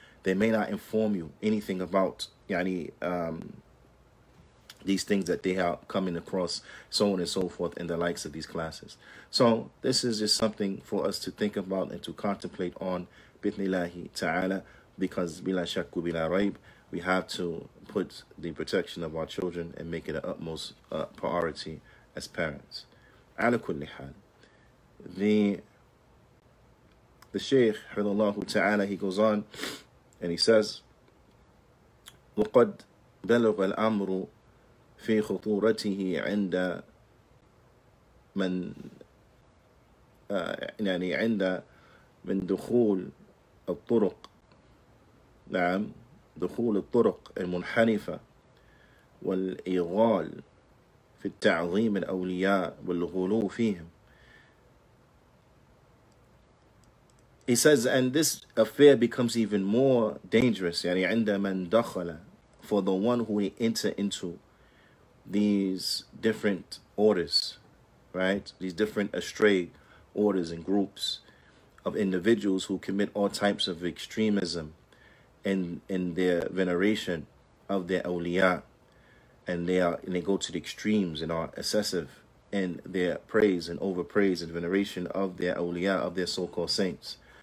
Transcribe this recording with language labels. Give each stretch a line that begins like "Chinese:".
English: They may not inform you anything about these things that they are coming across, so on and so forth, in the likes of these classes. So this is just something for us to think about and to contemplate on, bithnillahi ta'ala, because
Arabic: bila shakku bila raib,
English: we have to put the protection of our children and make it an utmost priority as parents. Ala kulli hal, the Shaykh, hadallahu ta'ala, he goes on and he says,
Arabic: وَقَدْ بَلَغَ الْأَمْرُ فِي خُطُورَتِهِ عِنْدَ مَنْ يعني عِنْدَ مِنْ دُخُول الطرق نعم دخول الطرق المنحرفة والإغال في التعظيم الأولياء والغلو فيهم.
English: He says, and this affair becomes even more dangerous,
Arabic: يعني عند من دخل,
English: for the one who will enter into these different orders, right? These different astray orders and groups of individuals who commit all types of extremism in their veneration of their awliya, and they go to the extremes and are excessive in their praise and overpraise and veneration of their awliya, of their so-called saints.